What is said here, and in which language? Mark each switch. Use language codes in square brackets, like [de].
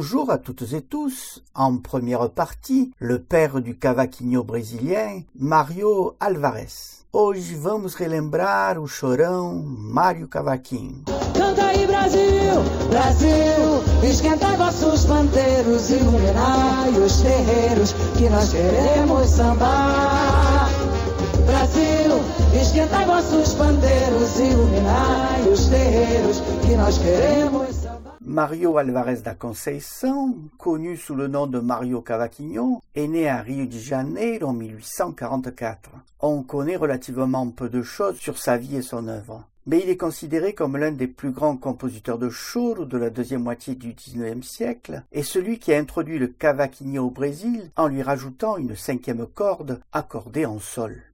[fr] À toutes et tous, en première partie, le père du cavaquinho brésilien, Mario Alvarez. [pt] Hoje vamos relembrar o chorão Mario Cavaquinho. Canta aí, Brasil, Brasil, esquenta vossos panteiros, iluminai os terreiros que nós queremos sambar. Brasil, esquenta vossos panteiros, iluminai os terreiros que nós queremos. [fr] Mario Alvarez da Conceição, connu sous le nom de Mario Cavaquinho, est né à Rio de Janeiro en 1844. On connaît relativement peu de choses sur sa vie et son œuvre. Mais il est considéré comme l'un des plus grands compositeurs de choro de la deuxième moitié du XIXe siècle et celui qui a introduit le cavaquinho au Brésil en lui rajoutant une cinquième corde accordée en sol.